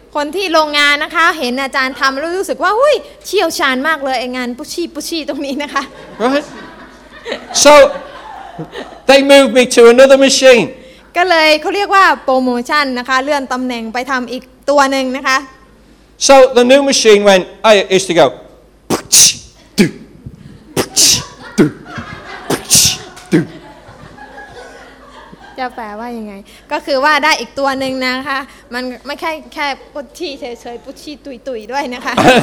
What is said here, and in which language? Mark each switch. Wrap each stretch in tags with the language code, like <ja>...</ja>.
<th>คนที่โรงงานนะคะเห็นอาจารย์ทำแล้วรู้สึกว่าเฮ้ยเชี่ยวชาญมากเลยไอ้งานปุชี่ปุชี่ตรงนี้นะคะ</th> <en>right so they moved me to another machine</en> <th>ก็เลยเขาเรียกว่าโปรโมชั่นนะคะเลื่อนตำแหน่งไปทำอีกตัวหนึ่งนะคะ</th> <en>so the new machine went I used to go ปุชี่ดูปุชี่ดูปุชี่ดู</en> <th>จะแปลว่ายังไงก็คือว่าได้อีกตัวหนึ่งนะคะมันไม่แค่ปุชี่เฉยๆปุชี่ตุยตุยด้วยนะคะ</th>